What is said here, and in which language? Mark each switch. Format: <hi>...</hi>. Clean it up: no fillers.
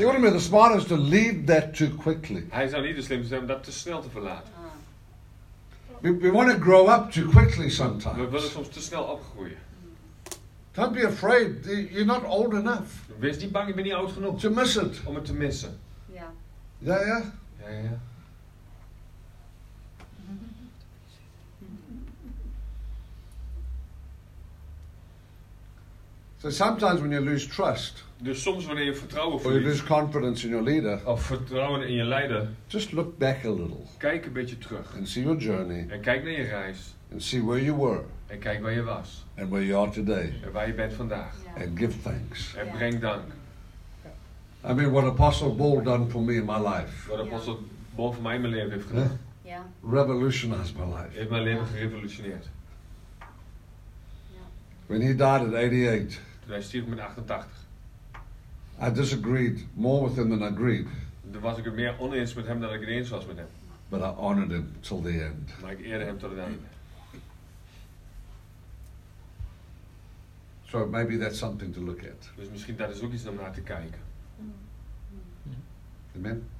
<en>He wouldn't be the smartest to leave that too quickly.</en> <nl>Hij zou niet de slimste zijn om dat te snel te verlaten.</nl> <en>We want to grow up too quickly sometimes.</en> <nl>We willen soms te snel opgroeien.</nl> <en>Don't be afraid. You're not old enough.</en> <nl>Wees niet bang, je bent niet oud genoeg.</nl> <en>To miss it.</en> <nl>Om het te missen. Ja. Ja, ja. Ja, ja.</nl> <en>So sometimes when you lose trust,</en> <nl>dus soms wanneer je vertrouwen verliest,</nl> <en>or you lose confidence in your leader,</en> <nl>of vertrouwen in je leider,</nl> <en>just look back a little,</en> <nl>kijk een beetje terug,</nl> <en>and see your journey,</en> <nl>en kijk naar je reis,</nl> <en>and see where you were,</en> <nl>en kijk waar je was,</nl> <en>and where you are today,</en> <nl>en waar je bent vandaag,</nl> <en>yeah. And give thanks,</en> <nl>en breng dank.</nl> <en>I mean, what Apostle Paul done for me in my life,</en> <nl>wat Apostel Paul voor mij in mijn leven heeft gedaan,</nl> <en>revolutionized my life,</en> <nl>heeft mijn leven gerevolutioneerd.</nl> <en>When he died at 88.</en> <nl>Hij stierf met 88.</nl> <en>I disagreed more with him than I agreed.</en> <nl>Dan was ik het meer oneens met hem dan ik het eens was met hem.</nl> <en>But I honored him till the end.</en> <nl>Maar ik eerde hem tot het einde.</nl> <en>So maybe that's something to look at.</en> <nl>Dus misschien dat is ook iets om naar te kijken.</nl> <en>Amen.</en>